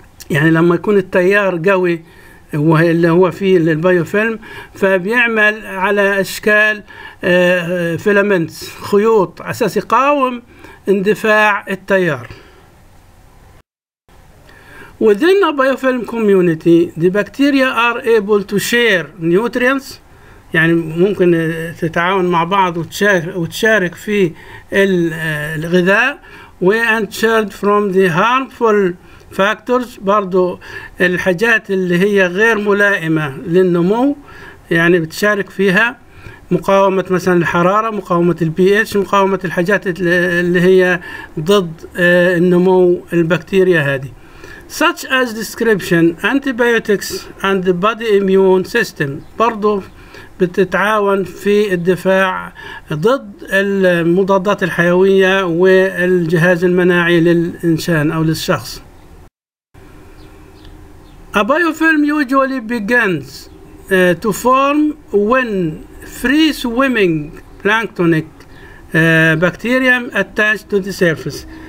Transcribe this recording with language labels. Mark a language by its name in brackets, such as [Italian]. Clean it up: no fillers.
[Arabic] يعني لما يكون التيار قوي اللي هو فيه البيوفيلم فبيعمل على أشكال فيلمنتس خيوط أساس يقاوم اندفاع التيار. [English] Within a biofilm community, the bacteria are able to share nutrients. [Arabic] يعني ممكن تتعاون مع بعض وتشارك في الغذاء. [English] And shared from the harmful factors, [Arabic] برضو الحاجات اللي هي غير ملائمة للنمو يعني بتشارك فيها مقاومة مثلا الحرارة, مقاومة البي اتش, مقاومة الحاجات اللي هي ضد النمو البكتيريا هذه. [English] Such as description, antibiotics and the body immune system, [Arabic] برضو بتتعاون في الدفاع ضد المضادات الحيوية والجهاز المناعي للإنسان أو للشخص. [English] A biofilm usually begins to form when free swimming planktonic bacteria attach to the surface.